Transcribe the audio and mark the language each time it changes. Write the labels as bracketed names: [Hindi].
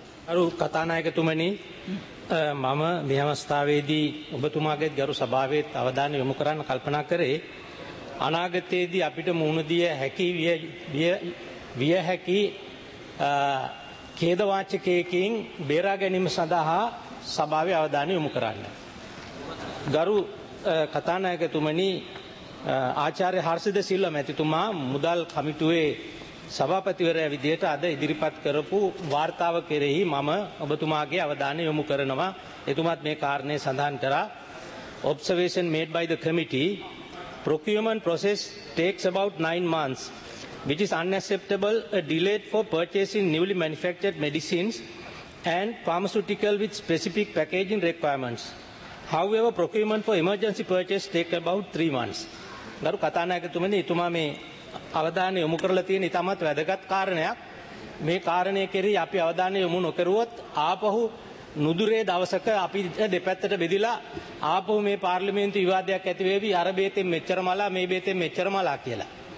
[Sinhala] අරු කතානායකතුමනි මම මේ අවස්ථාවේදී ඔබතුමාගේ ගරු සභාවේ අවධානය යොමු කරන්න කල්පනා කරේ අනාගතයේදී අපිට මුහුණ දිය හැකි විය හැකි ඛේදවාචකයකින් බේරා ගැනීම සඳහා සභාවේ අවධානය යොමු කරන්න. ගරු කථානායකතුමනි ආචාර්ය හර්ෂද සිල්ව මැතිතුමා මුදල් කමිටුවේ සභාපතිවරයා විදිහට අද ඉදිරිපත් කරපු වාර්තාව කෙරෙහි මම ඔබතුමාගේ අවධානය යොමු කරනවා. එතුමාත් මේ කාරණය සඳහන් කරා. [English] Observation made by the committee. Procurement process takes about 9 months. which is unacceptable, a delay for purchasing newly manufactured medicines and pharmaceutical with specific packaging requirements. However, procurement for emergency purchase takes about 3 months. [Sinhala] ගරු කතානායකතුමනි, ඉතුමා මේ අවධානය යොමු කරලා තියෙන ඉතාමත් වැදගත් කාරණයක්. මේ කාරණය කෙරෙහි අපි අවධානය යොමු නොකරුවොත් ආපහු නුදුරේ දවසක අපි දෙපැත්තට බෙදිලා ආපහු මේ පාර්ලිමේන්තු විවාදයක් ඇති වෙවි, අර බේතෙන් මෙච්චර මලා, මේ බේතෙන් මෙච්චර මලා කියලා.